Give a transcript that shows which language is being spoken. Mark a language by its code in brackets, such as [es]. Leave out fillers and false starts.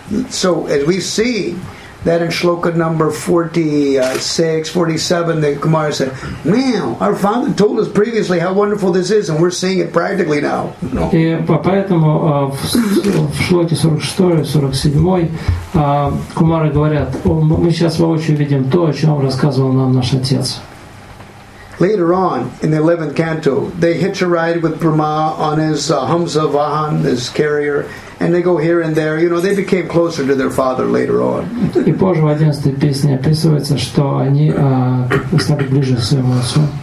[en] So as we see that in shloka number 46, 47, the Kumara said, "Man, our father told us previously how wonderful this is, and we're seeing it practically now." [ru] И поэтому в шлоке 46-47 Кумары говорят, мы сейчас воочию видим то, о чем рассказывал нам наш отец. [en] Later on, in the 11th canto, they hitch a ride with Brahma on his Hamsa Vahan, his carrier, and they go here and there. You know, they became closer to their father later on. [ru] И позже в 11-й песне описывается, что они стали ближе к своему отцу.